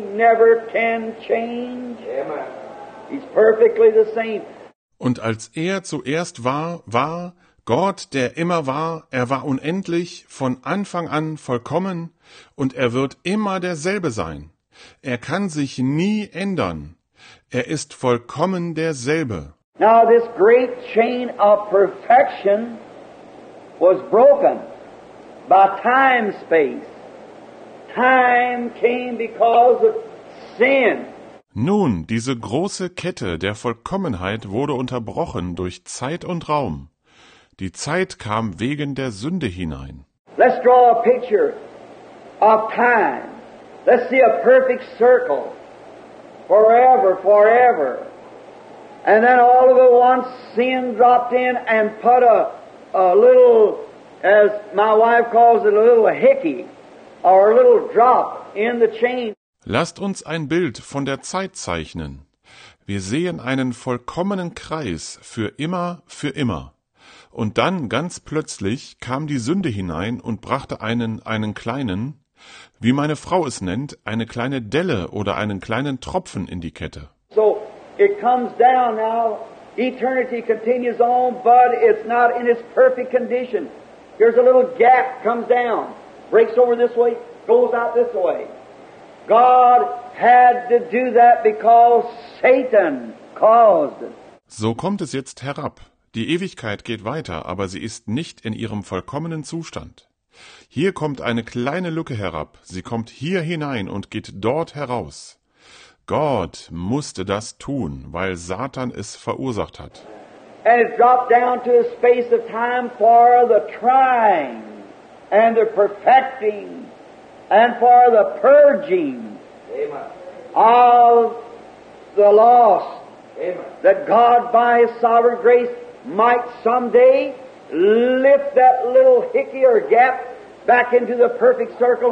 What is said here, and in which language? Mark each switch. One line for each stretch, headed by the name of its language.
English: He never can change. Amen. He's perfectly the same.
German: Und als er zuerst war, war Gott, der immer war, er war unendlich, von Anfang an vollkommen, und er wird immer derselbe sein. Er kann sich nie ändern. Er ist vollkommen derselbe.
English: Now this great chain of perfection was broken by time space. Time came because of sin.
German: Nun, diese große Kette der Vollkommenheit wurde unterbrochen durch Zeit und Raum. Die Zeit kam wegen der Sünde hinein.
English: Let's draw a picture of time. Let's see a perfect circle. Forever, forever. And then all of it once sin dropped in and put a little, as my wife calls it, a little hickey, or a little drop in the chain.
German: Lasst uns ein Bild von der Zeit zeichnen. Wir sehen einen vollkommenen Kreis für immer. Und dann, ganz plötzlich, kam die Sünde hinein und brachte einen kleinen, wie meine Frau es nennt, eine kleine Delle oder einen kleinen Tropfen in die Kette.
English: So, it comes down now, eternity continues on, but it's not in its perfect condition. Here's a little gap, comes down, breaks over this way, goes out this way. God had to do that because Satan caused it.
German: So kommt es jetzt herab. Die Ewigkeit geht weiter, aber sie ist nicht in ihrem vollkommenen Zustand. Hier kommt eine kleine Lücke herab, sie kommt hier hinein und geht dort heraus. Gott musste das tun, weil Satan es verursacht hat.
English: And it dropped down to a space of time for the trying and the perfecting and for the purging. Amen. Of the lost. Amen. That God by his sovereign grace might someday lift that little hickey or gap back into the perfect circle.